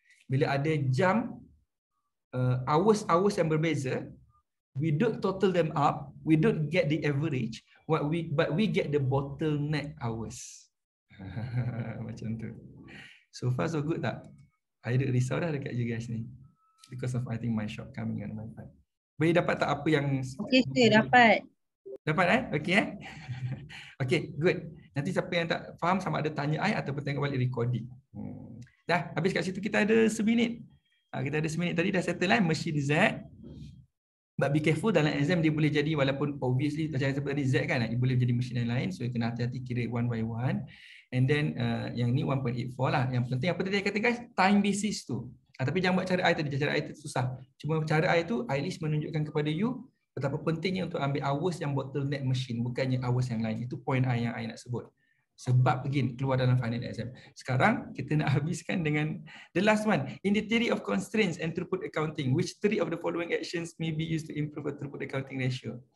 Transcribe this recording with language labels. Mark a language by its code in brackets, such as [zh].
[ms] Bila ada jam, hours-hours yang berbeza, [en] we don't total them up, we don't get the average, but we get the bottleneck hours. [ms] Macam tu. [en] So far so good tak? [ms] I ada risau dah dekat you guys ni. [en] Because of I think my shortcoming on my part. [ms] Boleh dapat tak apa yang... [en] Okay, sure, dapat. [ms] Dapat eh? Okay eh? Okay, good. Nanti siapa yang tak faham sama ada tanya I ataupun tengok balik recording. Dah, habis kat situ kita ada seminit. Kita ada seminit tadi dah settle lah, mesin Z. [en] But be careful [ms] dalam exam dia boleh jadi walaupun obviously macam yang tadi Z kan, dia boleh jadi mesin yang lain. So you kena hati-hati kira [en] one by one. [ms] And then yang ni 1.84 lah. Yang penting apa tadi kata guys, time basis tu. Tapi jangan buat cara I tadi, cara I tu susah. Cuma cara I tu, I least menunjukkan kepada you betapa pentingnya untuk ambil hours yang bottleneck machine, bukannya hours yang lain. Itu point I yang I nak sebut. Sebab again, keluar dalam final exam. Sekarang, kita nak habiskan dengan [en] the last one. In the theory of constraints and throughput accounting, which three of the following actions may be used to improve a throughput accounting ratio?